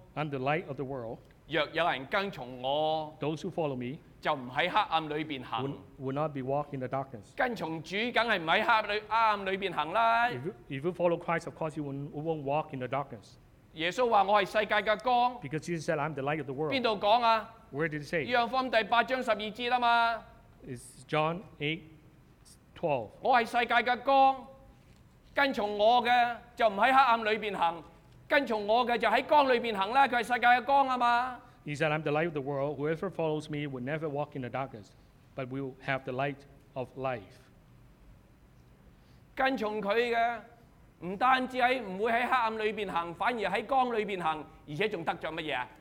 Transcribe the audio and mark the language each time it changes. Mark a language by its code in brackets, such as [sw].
[en] I'm the light of the world. [yue] 若有人跟從我 [en] ，those who follow me [yue] 就唔喺黑暗裏邊行 [en] ，will not be walking in the darkness。 [yue] 跟從主梗係唔喺黑暗裏邊行啦。 [en] If you follow Christ, of course you won't walk in the darkness。 [yue] 耶穌話：我係世界嘅光。 [en] Because Jesus said, I'm the light of the world。 [yue] 邊度講啊 [en] ？Where did he say？ [yue] 約翰福音第八章十二節啊嘛。 [en] It's John 8:12。 [yue] 我係世界嘅光，跟從我嘅就唔喺黑暗裏邊行。跟從我嘅就喺光裏邊行啦，佢係世界嘅光啊嘛。 [en] He said, "I'm the light of the world. Whoever follows me will never walk in the darkness, but will have the light of life." [yue] 跟從佢嘅唔單止喺唔會喺黑暗裏邊行，反而喺光裏邊行，而且仲得著乜嘢啊？